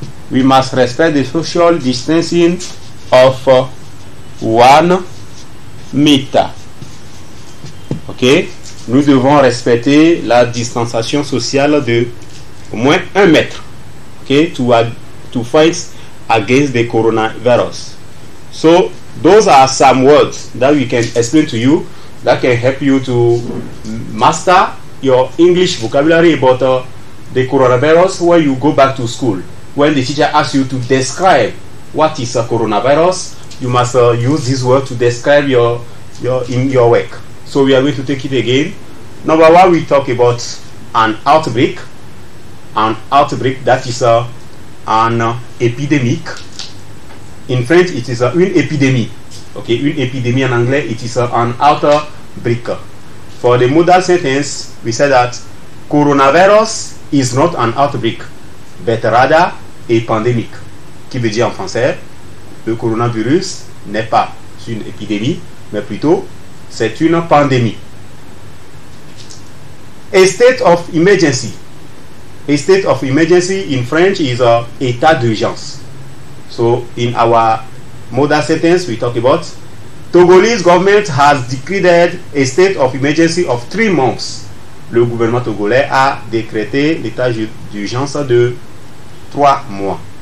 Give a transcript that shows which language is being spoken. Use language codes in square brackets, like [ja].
[en] We must respect the social distancing of 1 meter. [fr] Ok, nous devons respecter la distanciation sociale de au moins 1 mètre. [en] Ok, to fight against the coronavirus. So those are some words that we can explain to you that can help you to master your English vocabulary about the coronavirus when you go back to school. When the teacher asks you to describe what is a coronavirus, you must use this word to describe your work. So we are going to take it again. Number one, we talk about an outbreak. An outbreak, that is an epidemic. In French, it is une épidémie. Okay, [fr] une épidémie en anglais, [en] it is an outbreak. For the modal sentence, we said that coronavirus is not an outbreak, but rather a pandemic. [fr] Qui veut dire en français, le coronavirus n'est pas une épidémie, mais plutôt c'est une pandémie. [en] A state of emergency. A state of emergency in French is a état d'urgence. So in our modal sentence, we talk about Togolese government has declared a state of emergency of 3 months. [fr] Le gouvernement togolais a décrété l'état d'urgence de 3 mois.